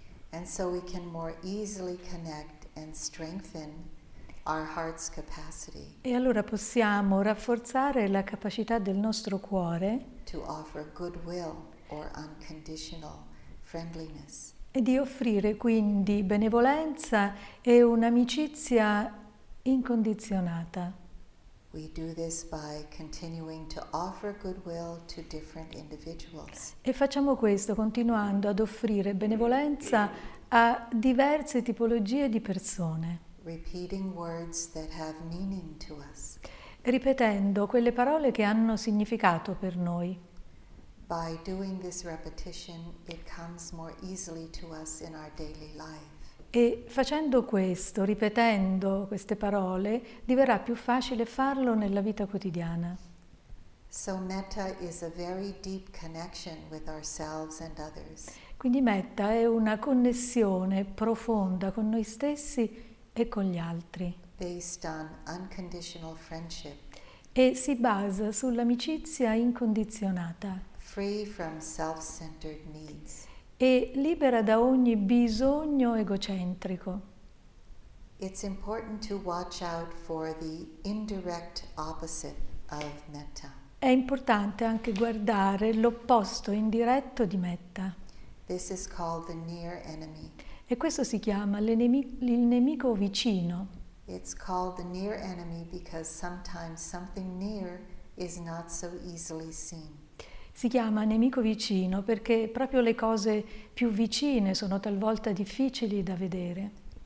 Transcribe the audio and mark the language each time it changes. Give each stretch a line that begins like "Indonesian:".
English: And so we can more easily connect and strengthen our heart's capacity.
Italian: E allora possiamo rafforzare la capacità del nostro cuore
English: to offer goodwill or unconditional friendliness.
Italian: E di offrire quindi benevolenza e un'amicizia incondizionata.
English: We do this by continuing to offer goodwill to different individuals.
Italian: E facciamo questo continuando ad offrire benevolenza a diverse tipologie di persone.
English: Repeating words that have meaning to us.
Italian: Ripetendo quelle parole che hanno significato per noi.
English: By doing this repetition, it comes more easily to us in our daily life.
Italian: E facendo questo, ripetendo queste parole, diverrà più facile farlo nella vita quotidiana.
English: So metta is a very deep connection with ourselves and others.
Italian: Quindi metta è una connessione profonda con noi stessi e con gli altri.
English: Based on unconditional friendship.
Italian: E si basa sull'amicizia incondizionata.
English: Free from self-centered needs.
Italian: E libera da ogni bisogno egocentrico.
English: It's important to watch out for the indirect opposite of metta.
Italian: È importante anche guardare l'opposto indiretto di metta.
English: This is called the near enemy.
Italian: E questo si chiama il nemico vicino.
English: It's called the near enemy because sometimes something near is not so easily seen.
Italian: Si chiama nemico vicino perché proprio le cose più vicine sono talvolta difficili da vedere.